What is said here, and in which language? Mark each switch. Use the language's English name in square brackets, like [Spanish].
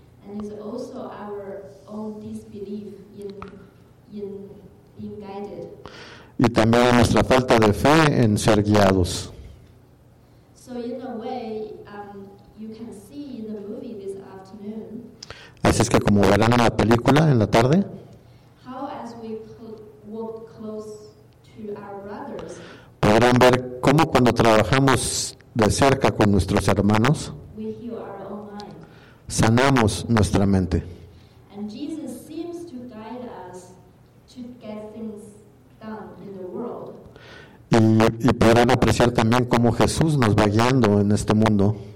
[English] And it's also our own disbelief in guided. [Spanish] Y también nuestra falta de fe en ser guiados. [English] So in a way, you can see in the movie this afternoon. [Spanish] Así es que como verán en la película, en la tarde, [English] how as we walk close to our brothers, [Spanish] podrán ver cómo cuando trabajamos de cerca con nuestros hermanos, [English] we heal our own mind. [Spanish] Sanamos nuestra mente. [English] And Jesus seems to guide us to get things done in the world. [Spanish] Y podrán apreciar también cómo Jesús nos va guiando en este mundo.